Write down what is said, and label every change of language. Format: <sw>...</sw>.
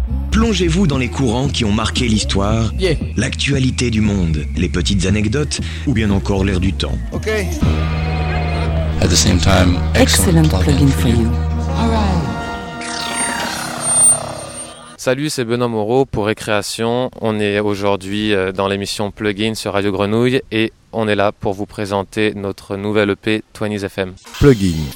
<fr>Plongez-vous dans les courants qui ont marqué l'histoire, l'actualité du monde, les petites anecdotes ou bien encore l'air du temps. Ok.</fr> <en>At the same time, excellent plugin for you.</en> <fr>Salut, c'est Benoît Moreau pour Récréation. On est aujourd'hui dans l'émission Plugin sur Radio Grenouille et on est là pour vous présenter notre nouvelle EP 20s FM. Plugin.</fr>